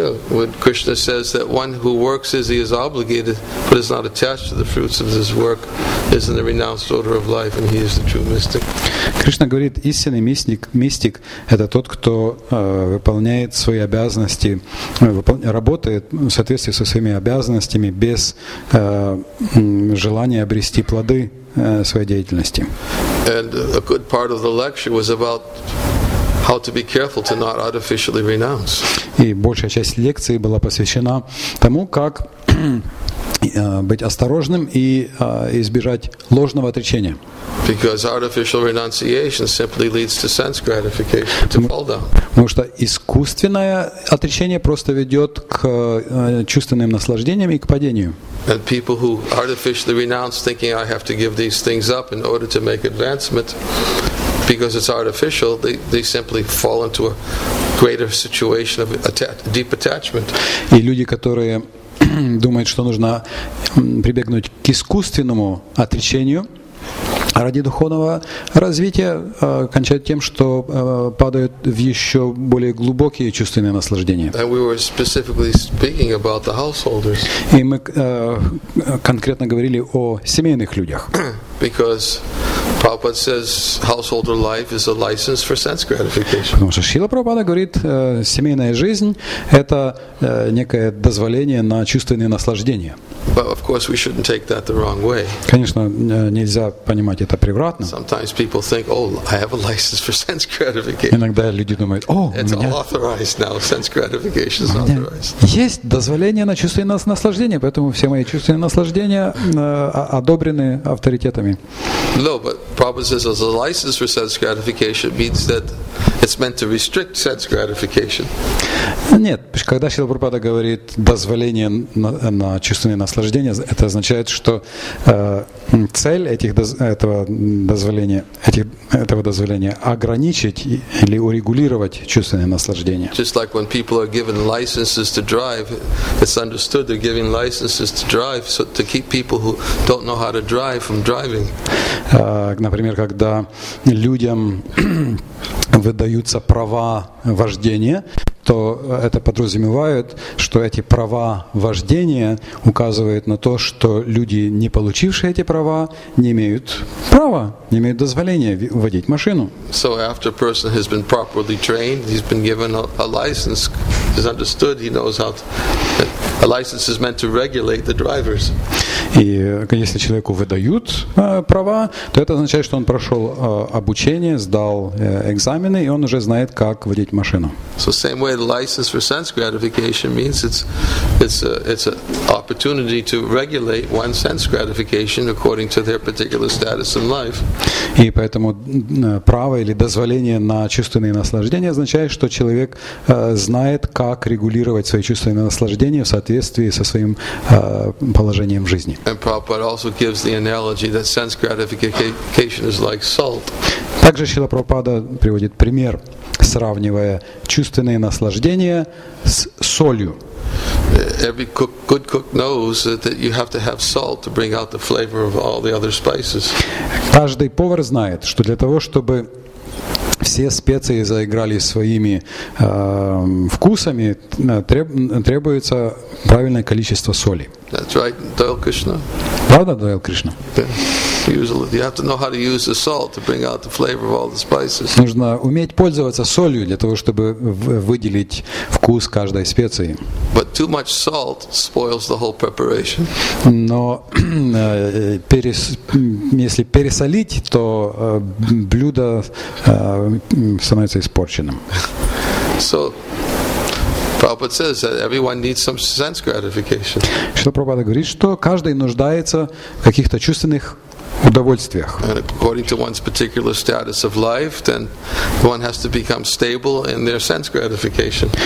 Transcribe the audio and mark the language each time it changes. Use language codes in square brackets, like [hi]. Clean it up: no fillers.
[en] When Krishna says that one who works as he is obligated, but is not attached to the fruits of his work, is in the renounced order of life, and he is the true mystic. [ru] Кришна говорит, истинный мистик – это тот, кто выполняет свои обязанности, работает в соответствии со своими обязанностями без желания обрести плоды своей деятельности. [en] And a good part of the lecture was about how to be careful to not artificially renounce. [ru] И большая часть лекции была посвящена тому, как быть осторожным и избежать ложного отречения. [en] Because artificial renunciation simply leads to sense gratification, to fall down. [ru] Потому что искусственное отречение просто ведет к чувственным наслаждениям и к падению. [en] And people who artificially renounce, thinking I have to give these things up in order to make advancement, because it's artificial, they simply fall into a greater situation of deep attachment. [ru] И люди, которые думают, что нужно прибегнуть к искусственному отречению ради духовного развития, кончают тем, что падают в еще более глубокие чувственные наслаждения. [en] And we were specifically speaking about the householders. [ru] И мы конкретно говорили о семейных людях. [en] Because Prabhupada says householder life is a license for sense gratification. [ru] Потому что Шрила Прабхупада говорит, семейная жизнь – это некое дозволение на чувственные наслаждения. [en] But of course we shouldn't take that the wrong way. [ru] Конечно, нельзя понимать это превратно. [en] Sometimes people think, oh, I have a license for sense gratification. [ru] Иногда люди думают, о, [en] it's authorized now, sense gratification is authorized. [ru] Есть дозволение на чувственные наслаждения, поэтому все мои чувственные наслаждения одобрены авторитетами. [en] No, but Prabhupada says as a license for sense gratification means that it's meant to restrict sense gratification. [ru] Нет, когда Шрила Прабхупада говорит дозволение на чувственные наслаждения, это означает, что цель этого дозволения ограничить или урегулировать чувственные наслаждения. [en] Just like when people are given licenses to drive, it's understood they're giving licenses to drive so to keep people who don't know how to drive from driving. [ru] Например, когда людям выдаются права вождения, то это подразумевает, что эти права вождения указывают на то, что люди, не получившие эти права, не имеют права, не имеют дозволения водить машину. [en] So after a person has been properly trained, he's been given a license, he's understood, he knows how to... A license is meant to regulate the drivers. [ru] И если человеку выдают права, то это означает, что он прошел обучение, сдал экзамены, и он уже знает, как водить машину. [en] So same way, the license for sense gratification means it's an opportunity to regulate one sense gratification according to their particular status in life. [ru] И поэтому право или дозволение на чувственные наслаждения означает, что человек знает, как регулировать свои чувственные наслаждения в соответствии со своим положением в жизни. [en] And Prabhupada also gives the analogy that sense gratification is like salt. [ru] Также Шрила Прабхупада приводит пример, сравнивая чувственные наслаждения с солью. [en] Every good cook knows that you have to have salt to bring out the flavor of all the other spices. [ru] Каждый повар знает, что для того, чтобы все специи заиграли своими вкусами, требуется правильное количество соли. [en] That's right, Dail Krishna. [ru] Правда, Дайл Кришна? [en] You have to know how to use the salt to bring out the flavor of all the spices. [ru] Нужно уметь пользоваться солью для того, чтобы выделить вкус каждой специи. [en] But too much salt spoils the whole preparation. [ru] Но если пересолить, то блюдо становится испорченным. [en] So Prabhupada says that everyone needs some sense gratification. [ru] Шрила Прабхупада говорит, что каждый нуждается в каких-то чувственных удовольствиях. [en] And according to one's particular status of life, then one has to become stable in their sense gratification.